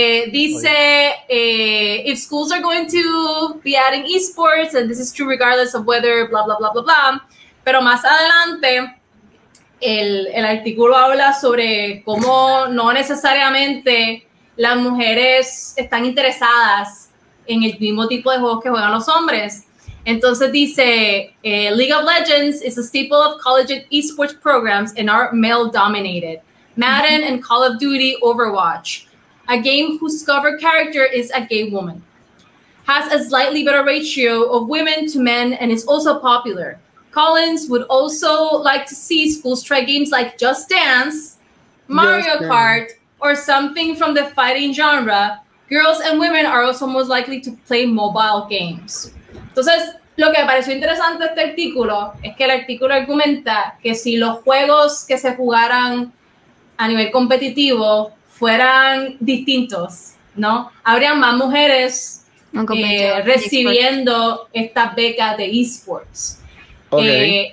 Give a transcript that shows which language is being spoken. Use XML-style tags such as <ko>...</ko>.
<es>Dice,</es> <en>if schools are going to be adding esports, and this is true regardless of whether, blah, blah, blah, blah, blah.</en> <es>Pero más adelante, el artículo habla sobre cómo no necesariamente las mujeres están interesadas en el mismo tipo de juegos que juegan los hombres. Entonces dice,</es> <en>League of Legends is a staple of collegiate esports programs and are male-dominated. Madden and Call of Duty Overwatch, a game whose cover character is a gay woman, has a slightly better ratio of women to men and is also popular. Collins would also like to see schools try games like Just Dance, Mario Kart, or something from the fighting genre. Girls and women are also most likely to play mobile games.</en> <es>Entonces, lo que me pareció interesante este artículo es que el artículo argumenta que si los juegos que se jugaran a nivel competitivo fueran distintos, ¿no? Habrían más mujeres recibiendo estas becas de esports. Okay.</es>